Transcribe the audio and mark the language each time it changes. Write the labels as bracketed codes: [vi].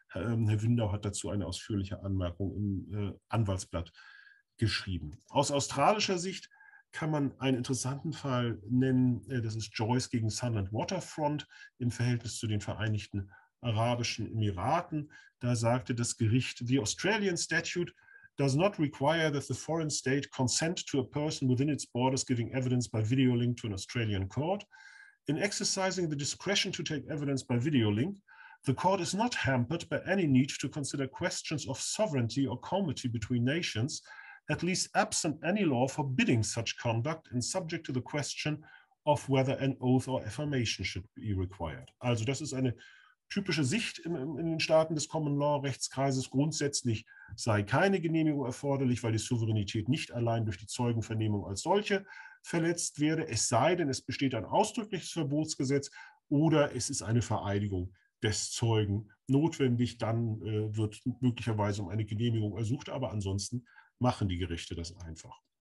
[de] Herr Windau hat dazu eine ausführliche Anmerkung im Anwaltsblatt geschrieben. Aus australischer Sicht kann man einen interessanten Fall nennen, das ist Joyce gegen Sunland Waterfront im Verhältnis zu den Vereinigten Arabischen Emiraten. Da sagte das Gericht, [en] the Australian statute does not require that the foreign state consent to a person within its borders giving evidence by video link to an Australian court. In exercising the discretion to take evidence by video link, the court is not hampered by any need to consider questions of sovereignty or comity between nations, at least absent any law forbidding such conduct and subject to the question of whether an oath or affirmation should be required. [de] Also das ist eine typische Sicht in den Staaten des Common Law Rechtskreises. Grundsätzlich sei keine Genehmigung erforderlich, weil die Souveränität nicht allein durch die Zeugenvernehmung als solche verletzt werde, es sei denn, es besteht ein ausdrückliches Verbotsgesetz oder es ist eine Vereidigung des Zeugen notwendig, dann wird möglicherweise um eine Genehmigung ersucht, aber ansonsten machen die Gerichte das einfach.